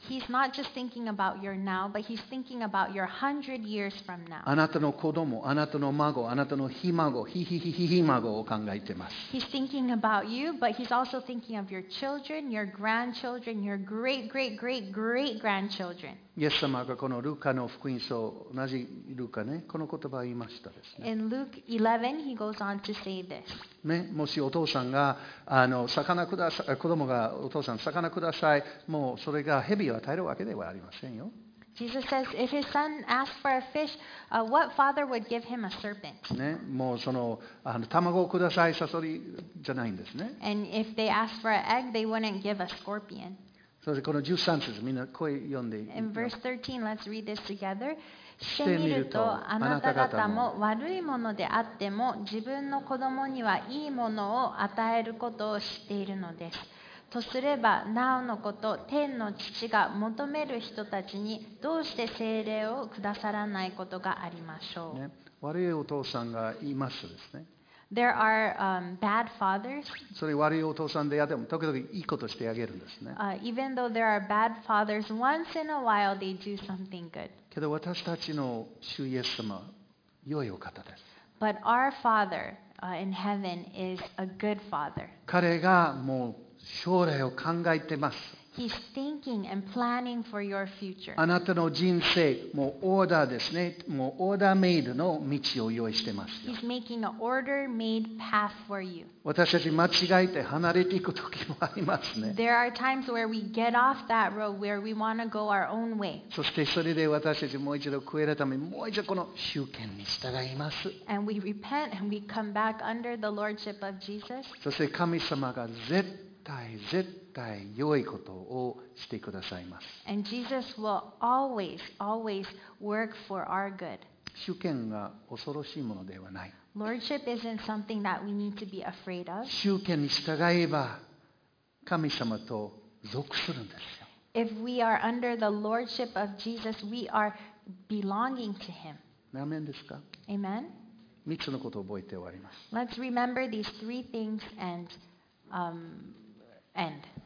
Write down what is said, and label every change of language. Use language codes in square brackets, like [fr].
[en] He's not just thinking about your now, but He's thinking about your 100 years from now. [ja] あなたの子供、あなたの孫、あなたのひ孫、ひ孫を考えてます。 [en] He's thinking about you, but He's also thinking of your children, your grandchildren, your great, great, great, great grandchildren. [ja] イエス様がこのルカの福音書、同じルカね、この言葉を言いましたですね。 [en] In Luke 11, He goes on to say this. [ja] ね、もしお父さんが魚ください、子供がお父さん魚ください、もうそれが蛇を与えるわけではありませんよ。 [en] Jesus says, if his son asked for a fish, what father would give him a serpent? [ja] ね、もうその、卵をください、サソリじゃないんですね。 [en] And if they asked for an egg, they wouldn't give a scorpion. [ja] そしてこの13節、みんな声読んで。 [en] In verse 13, let's read this together. [ja] してみると、あなた方も悪いものであっても、自分の子供にはいいものを与えることを知っているのです。とすればなおのこと天の父が求める人たちにどうして聖霊を下さらないことがありましょう、ね、悪いお父さんがいますですね。 [en] There are, bad fathers. [ja] それ悪いお父さんであっても時々いいことしてあげるんですね。 [en] Even though there are bad fathers, once in a while they do something good. [ja] けど私たちの主イエス様、良いお方です。 [en] But our father, in heaven is a good father. [ja] 彼がもう将来を考えてます。 [en] He's thinking and planning for your future. [ja] あなたの人生、もうオーダーですね。もうオーダーメイドの道を用意してますよ。 [en] He's making an order-made path for you. [ja] 私たち間違えて離れていく時もありますね。 [en] There are times where we get off that road where we want to go our own way. [ja] そしてそれで私たちもう一度悔い改め、もう一度この主権に従います。 [en] And we repent and we come back under the lordship of Jesus. [ja] そして神様が絶対絶対良いことをしてくださいます。 [en] And Jesus will always, always work for our good. [ja] 主権が恐ろしいものではない。 [en] Lordship isn't something that we need to be afraid of. [ja] 主権に従えば神様と属するんですよ。 [en] If we are under the lordship of Jesus, we are belonging to Him. [ja] アメンですか？ [en] Amen. [ja] 三つのことを覚えて終わります。 [en] Let's remember these three things and End.